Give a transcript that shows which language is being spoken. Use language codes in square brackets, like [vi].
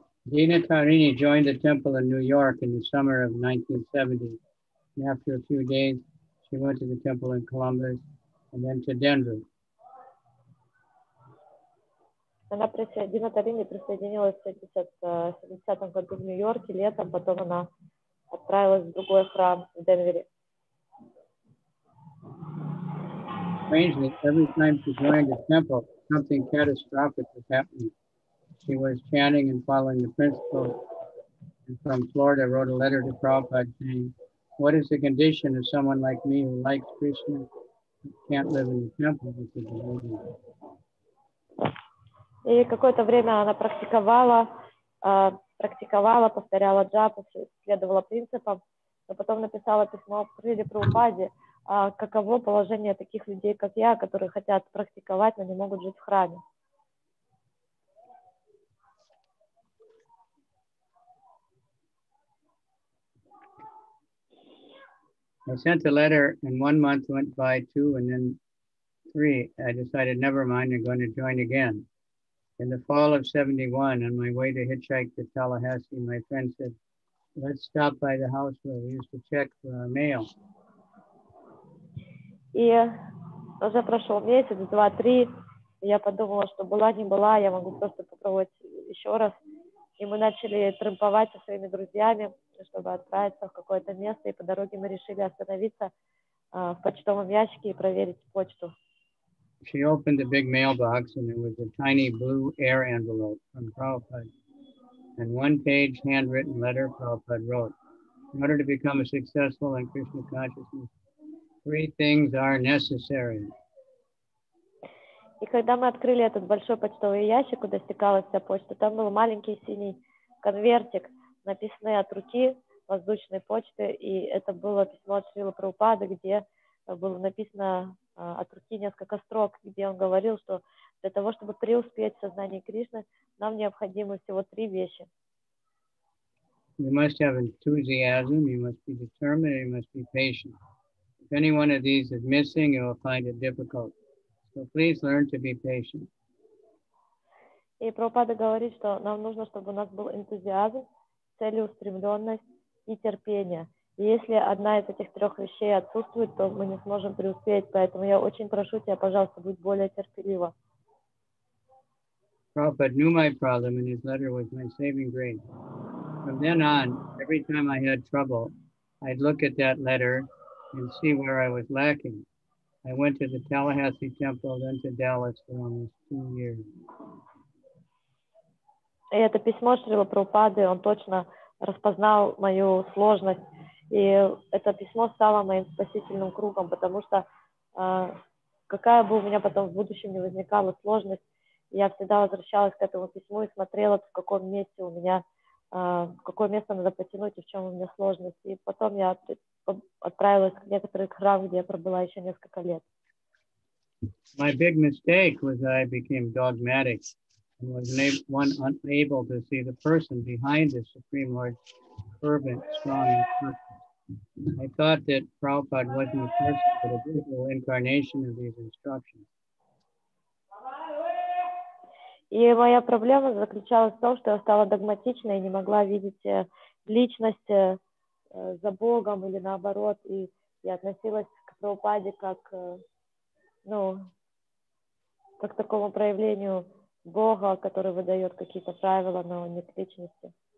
[en] Dina Tarini joined the temple in New York in the summer of 1970. After a few days, she went to the temple in Columbus and then to Denver. [ru] Она Дина Тарини присоединилась в 70-м году в Нью-Йорке летом, потом она отправилась в другой храм в Денвере. [en] Strangely, every time she joined a temple, something catastrophic was happening. She was chanting and following the principles, and from Florida wrote a letter to Prabhupada saying, "What is the condition of someone like me who likes Krishna but can't live in the temple with the devotees?" [ru] И какое-то время она практиковала, повторяла джапу, следовала принципам, но потом написала письмо Шриле Прабхупаде, каково положение таких людей, как я, которые хотят практиковать, но не могут жить в храме. [en] I sent a letter, and 1 month went by, two, and then three. I decided, never mind, I'm going to join again. In the fall of 71, on my way to hitchhike to Tallahassee, my friend said, "Let's stop by the house where we used to check for our mail." [ru] И уже прошел месяц, два-три, я подумала, что была не была, я могу просто попробовать еще раз. И мы начали трамповать со своими друзьями, чтобы отправиться в какое-то место, и по дороге мы решили остановиться в почтовом ящике и проверить почту. [en] She opened the big mailbox, and it was a tiny blue air envelope from Prabhupada. And one-page handwritten letter Prabhupada wrote, "In order to become a successful in Krishna consciousness, three things are necessary." [ru] И когда мы открыли этот большой почтовый ящик, куда стекалась вся почта, там был маленький синий конвертик, написанный от руки воздушной почты, и это было письмо от Шрилы Прабхупады, где было написано от руки несколько строк, где он говорил, что для того, чтобы преуспеть в сознании Кришны, нам необходимы всего три вещи. [en] You must have enthusiasm, you must be determined, you must be patient. If any one of these is missing, you will find it difficult. So please learn to be patient. [ru] И Прабхупада говорит, что нам нужно, чтобы у нас был энтузиазм, целеустремленность и терпение. И если одна из этих трех вещей отсутствует, то мы не сможем преуспеть. Поэтому я очень прошу тебя, пожалуйста, будь более терпелива. [en] Prabhupada knew my problem, and his letter was my saving grace. From then on, every time I had trouble, I'd look at that letter and see where I was lacking. I went to the Tallahassee temple, then to Dallas for almost 2 years. [ru] И это письмо Шрилы Прабхупады, он точно распознал мою сложность. И это письмо стало моим спасительным кругом, потому что какая бы у меня потом в будущем не возникала сложность, я всегда возвращалась к этому письму и смотрела, в каком месте у меня какое место надо потянуть и в чем у меня сложность. И потом я отправилась в некоторый храм, где я пробыла еще несколько лет. [en] My big mistake was that I became dogmatic and was unable to see the person behind the Supreme Lord's fervent, strong instructions. I thought that Prabhupada wasn't a person, but a visual incarnation of these instructions. [ru] И моя проблема заключалась в том, что я стала догматичной и не могла видеть личность за Богом или наоборот, и я относилась к Прабхупаде как, ну, как такому проявлению Бога, который выдает какие-то правила, но не к личности.